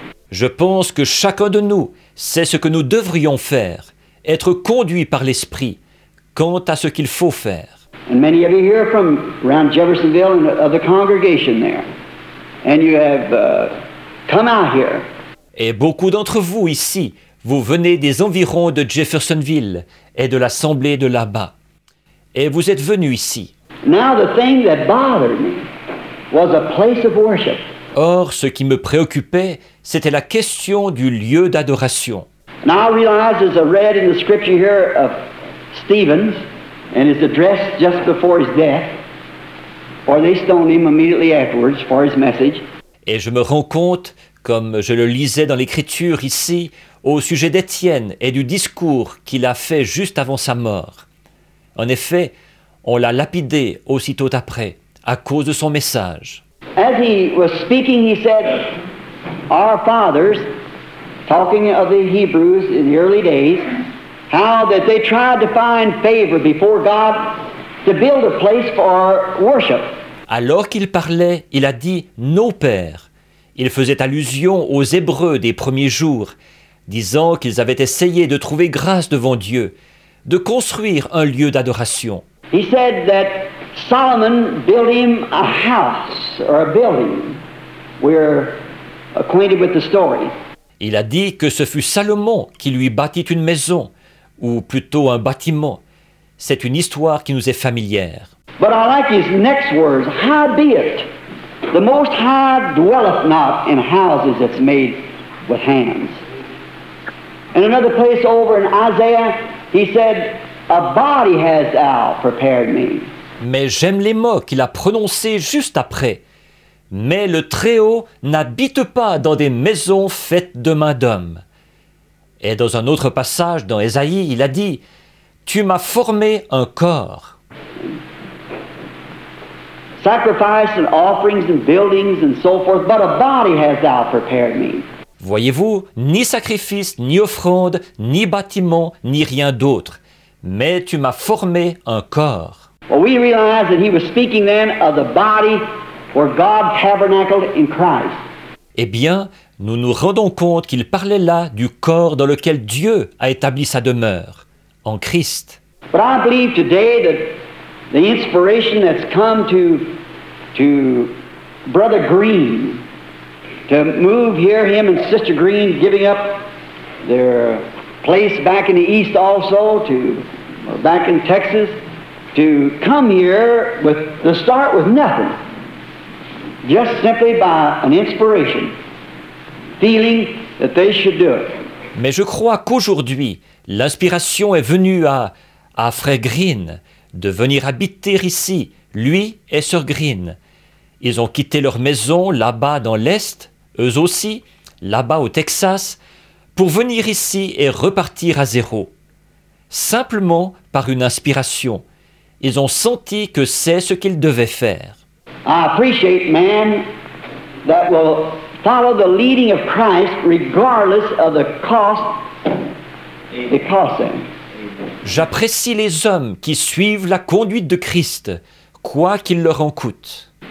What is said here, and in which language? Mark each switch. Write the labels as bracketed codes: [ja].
[fr] Je pense que chacun de nous sait ce que nous devrions faire, être conduit par l'Esprit, quant à ce qu'il faut faire. [en] And many of you here from around Jeffersonville and the congregation there, and you have come out here. [fr] Et beaucoup d'entre vous ici, vous venez des environs de Jeffersonville et de l'assemblée de là-bas. Et vous êtes venus ici. [en] Now, the thing that bothered me was a place of worship. [fr] Or, ce qui me préoccupait, c'était la question du lieu d'adoration. [en] Now, I realize there's a read in the scripture here of Stephen's and his address just before his death, or they stoned him immediately afterwards for his message. [fr] Et je me rends compte, comme je le lisais dans l'Écriture ici, au sujet d'Étienne et du discours qu'il a fait juste avant sa mort. En effet, on l'a lapidé aussitôt après, à cause de son message. [en] As he was speaking, he said, our fathers, talking of the Hebrews in the early days, how that they tried to find favor before God to build a place for worship. [fr] Alors qu'il parlait, il a dit « nos pères ». Il faisait allusion aux Hébreux des premiers jours, disant qu'ils avaient essayé de trouver grâce devant Dieu, de construire un lieu d'adoration. [en] He said that Solomon built him a house or a building. We're acquainted with the story. [fr] Il a dit que ce fut Salomon qui lui bâtit une maison, ou plutôt un bâtiment. C'est une histoire qui nous est familière. [en] But I like his next words. How be it? The Most High dwelleth not in houses that's made with hands. In another place over in Isaiah, he said, a body has thou prepared me. [fr] Mais j'aime les mots qu'il a prononcés juste après. Mais le Très-Haut n'habite pas dans des maisons faites de main d'homme. Et dans un autre passage, dans Ésaïe, il a dit, « Tu m'as formé un corps. » [en] Sacrifices and offerings and buildings and so forth, but a body has thou prepared me. [fr] Voyez-vous, ni sacrifice, ni offrande, ni bâtiment, ni rien d'autre, mais tu m'as formé un corps. [en] Well, we realize that he was speaking then of the body where God tabernacled in Christ. [fr] Eh bien, nous nous rendons compte qu'il parlait là du corps dans lequel Dieu a établi sa demeure, en Christ. [en] But I believe today that the inspiration that's come to Brother Green to move here, him and Sister Green giving up their place back in the East also, to back in Texas, to come here with to start with nothing, just simply by an inspiration, feeling that they should do it. [fr] Mais je crois qu'aujourd'hui, l'inspiration est venue à Frère Green de venir habiter ici, lui et Sir Green. Ils ont quitté leur maison là-bas dans l'Est, eux aussi, là-bas au Texas, pour venir ici et repartir à zéro. Simplement par une inspiration, ils ont senti que c'est ce qu'ils devaient faire. [en] I appreciate man that will follow the leading of Christ regardless of the cost it costs them. [fr] J'apprécie les hommes qui suivent la conduite de Christ, quoi qu'il leur en coûte.